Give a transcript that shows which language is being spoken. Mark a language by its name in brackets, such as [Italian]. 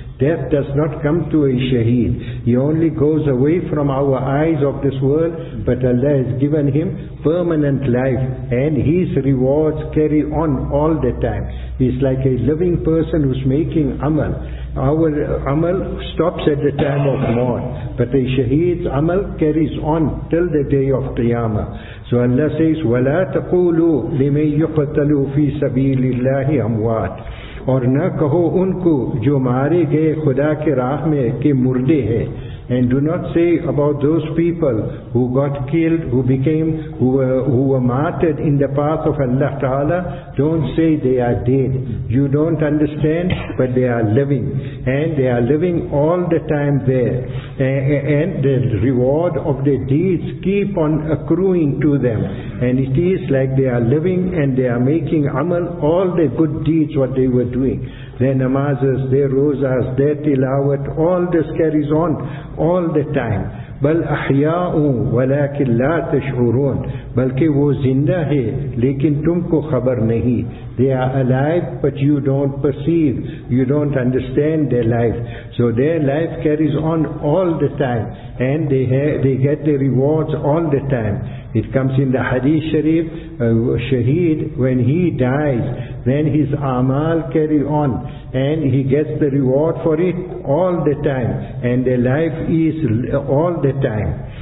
[English] Death does not come to a shaheed. He only goes away from our eyes of this world, but Allah has given him permanent life, and his rewards carry on all the time. He's like a living person who's making amal. Our amal stops at the time of maut, but the shaheed's amal carries on till the day of Qiyamah. So Allah says, [Arabic] وَلَا تَقُولُوا لِمَنْ يُقْتَلُوا فِي سَبِيلِ اللَّهِ أَمْوَاتِ. [Urdu] اور نہ کہو ان کو جو مارے گئے خدا کے راہ میں کہ مردے ہیں. [English] And do not say about those people who got killed, who were martyred in the path of Allah Ta'ala, don't say they are dead. You don't understand, but they are living. And they are living all the time there. And the reward of their deeds keep on accruing to them. And it is like they are living and they are making amal, all the good deeds what they were doing. Their namazas, their rozas, their tilawat, all this carries on all the time. [Arabic] بَلْ أَحْيَاءٌ وَلَاكِنْ لَا تَشْعُرُونَ. [Urdu] بلکہ وہ زندہ ہے لیکن تم کو خبر نہیں. [English] They are alive but you don't perceive, you don't understand their life. So their life carries on all the time and they get the rewards all the time. It comes in the Hadith Sharif, shaheed, when he dies, then his amal carry on and he gets the reward for it all the time, and their life is all the time.